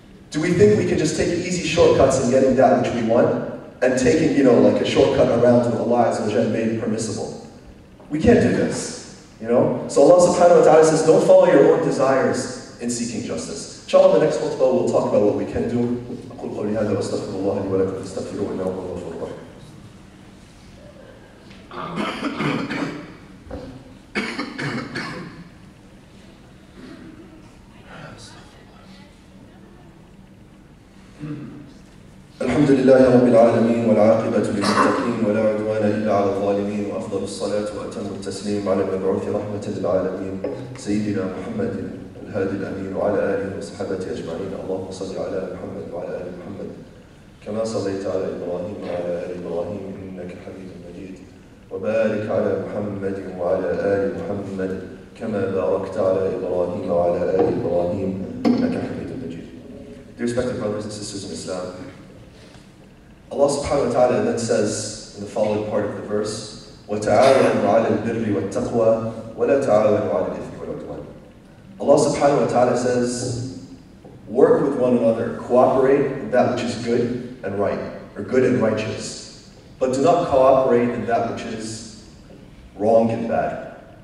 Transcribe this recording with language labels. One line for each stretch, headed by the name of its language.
English: Do we think we can just take easy shortcuts in getting that which we want? And taking, you know, like a shortcut around with Allah Azza wa Jalla made permissible? We can't do this, you know? So Allah subhanahu wa ta'ala says, don't follow your own desires in seeking justice. Inshallah, the next khutbah we'll talk about what we can do.
Arabic: أقول قولي هذا وأستغفر الله لي ولكم فاستغفروه إنه هو الغفور الرحيم. الحمد لله رب العالمين والعاقبة للمتقين ولا عدوان إلا على الظالمين وأفضل الصلاة وأتم التسليم على المبعوث رحمة للعالمين سيدنا محمد الهادي الأمين وعلى آله وصحبه أجمعين. اللهم صل على محمد وعلى آل محمد كما صليت على إبراهيم وعلى آل إبراهيم إنك حميد مجيد. وبارك على محمد وعلى آل محمد كما باركت على إبراهيم وعلى آل إبراهيم إنك حميد مجيد.
English: Dear respected brothers and sisters in Islam, Allah subhanahu wa ta'ala then says in the following part of the verse,
Arabic: وَتَعَالَنُ عَلَى الْبِرِّ وَالتَّقْوَى وَلَا تَعَالَنُ عَلَى الْإِثْمِ وَالْعُدْوَانِ.
English: Allah subhanahu wa ta'ala says, work with one another, cooperate in that which is good and right, or good and righteous, but do not cooperate in that which is wrong and bad.